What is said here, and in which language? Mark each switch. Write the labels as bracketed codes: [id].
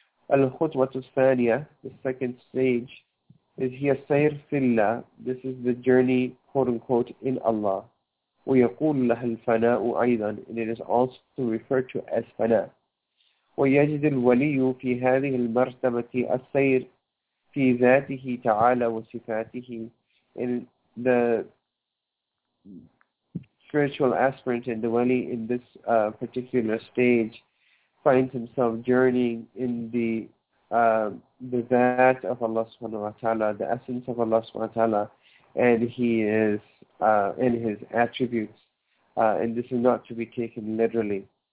[ar] Al-khutwa al-thaniya, [en] the second stage, is [ar] hiya sayr filla. [en] This is the journey, quote unquote, in Allah. [ar] ويقول لها الفناء أيضا, [en] and it is also referred to as فناء. [ar] ويجد الولي في هذه المرتبة السير في ذاته تعالى وصفاته. [en] And the spiritual aspirant and the wali in this particular stage finds himself journeying in the ذات of Allah subhanahu wa ta'ala, the essence of Allah subhanahu wa ta'ala, and he is in his attributes, and this is not to be taken literally,